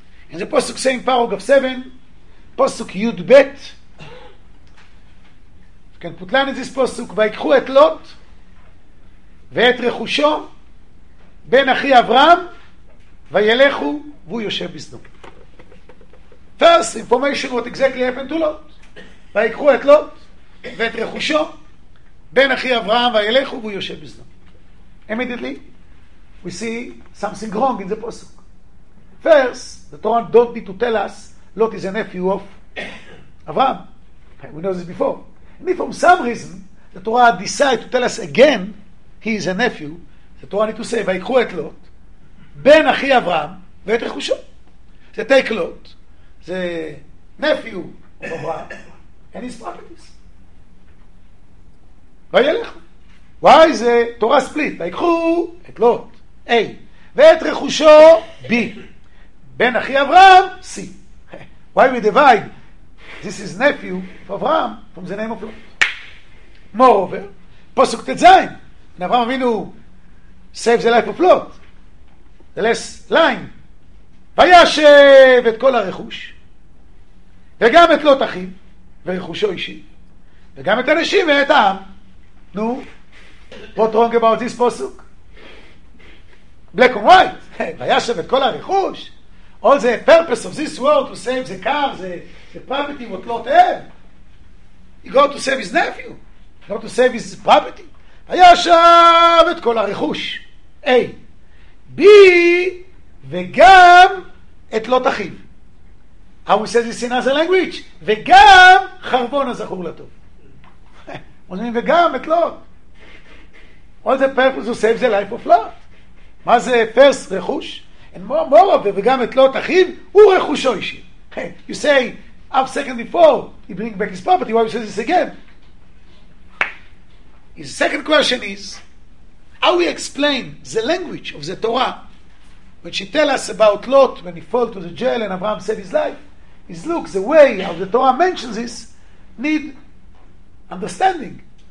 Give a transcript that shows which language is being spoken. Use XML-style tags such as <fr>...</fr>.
<en>And the Pasuk say in paragraph 7, Pasuk Yud Bet, you can put line in this Pasuk,</en> <he>ויקחו את לוט ואת רכושו בן אחי אברהם וילכו והוא יושב בסדום.</he> <en>First information what exactly happened to Lot.</en> <he>ויקחו את לוט ואת רכושו בן אחי אברהם וילכו והוא יושב בסדום.</he> <en>Immediately we see something wrong in the פסוק. First, the Torah don't need to tell us Lot is a nephew of Avraham. We know this before. And if for some reason the Torah decide to tell us again he is a nephew, the Torah need to say</en> <he>ויקחו את לוט בן אחי אברהם ואת רכושו.</he> <en>זה take Lot, זה nephew of Avraham and his properties. Why is the Torah split?</en> <he>ויקחו את לוט,</he> <en>A.</en> <he>ואת רכושו,</he> <en>B.</en> <he>בן אחי אברהם,</he> <en>C. Why we divide? This is nephew of Abraham from the name of Lot.</en> <he>Moreover, פסוק תזיין.</he> <en>And Abraham אבינו save the life of Lot. The last line.</en> <he>וישב את כל הרכוש. וגם את לוט אחיו. ורכושו אישי. וגם את הנשים ואת העם.</he> <en>נו, what wrong about this פסוק? Black and white.</en> <he>וישב את כל הרכוש.</he> <en>All the purpose of this world to save the car, the property what Lot had. He got to save his nephew. He got to save his property.</en> <he>וישב את כל הרכוש. A. B. וגם את לוט אחיו.</he> <en>How we say this in other language?</en> <he>וגם חרבון הזכור לטוב. אומרים, וגם את לוט.</he> <en>All the purpose to save the life of Lot.</en> <he>מה זה first רכוש?</he> <en>And more of it,</en> <he>וגם את לוט אחיו, הוא רכושו אישי.</he> <en>You say, half second before, he bring back his property, why we say this again? His second question is, how we explain the language of the Torah, when she tell us about Lot, when he fall to the jail and Abraham saved his life, is look, the way how the Torah mentions this need understanding.</en>